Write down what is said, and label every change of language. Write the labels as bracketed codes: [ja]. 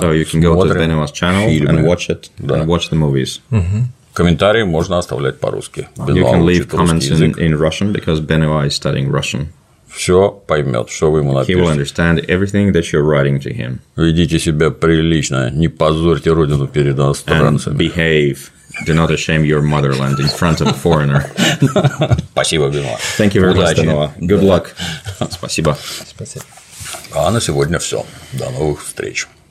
[en] So you can go to Benoit's channel and watch it and watch the movies. [ru] Комментарии можно оставлять по-русски. [en] You can leave comments in Russian because Benoa is studying Russian. [ru] Все поймет, что вы ему напишете. [en] He will understand everything that you're writing to him. [ru] Ведите себя прилично, не позорьте родину перед иностранцами. [en] And behave. Do not shame your motherland in front of a foreigner. [ru] Спасибо, Бенуа. [en] Thank you very much, Бенуа. Good luck. [ru] Спасибо. Спасибо. А на сегодня все. До новых встреч.